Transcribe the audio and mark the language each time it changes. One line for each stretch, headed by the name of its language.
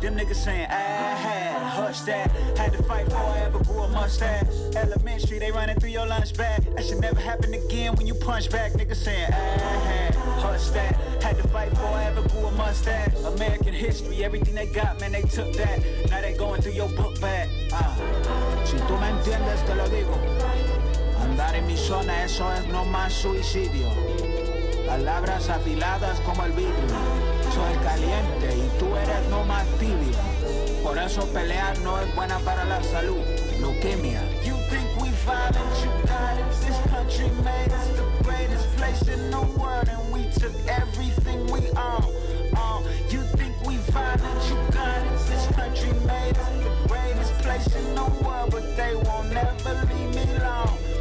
English: Them niggas saying, ah, hush that. Had to fight before I ever grew a mustache. Elementary, they running through your lunch bag. That should never happen again when you punch back. Niggas saying, ah, hush that. Had to fight before I ever grew a mustache. American history, everything they got, man, they took that. Now they going through your book bag.
Spanish: Si tú me entiendes, te lo digo. Andar en mi zona, eso es no más suicidio. Palabras afiladas como el vidrio. Soy caliente y tú eres no más tibia. Por eso pelear no es buena para la salud.
English: Leukemia. You think we violent, you got it. This country made us the greatest place in the world. And we took everything we own. You think we violent, you got it. This country made us the greatest place in the world. But they won't never leave me alone.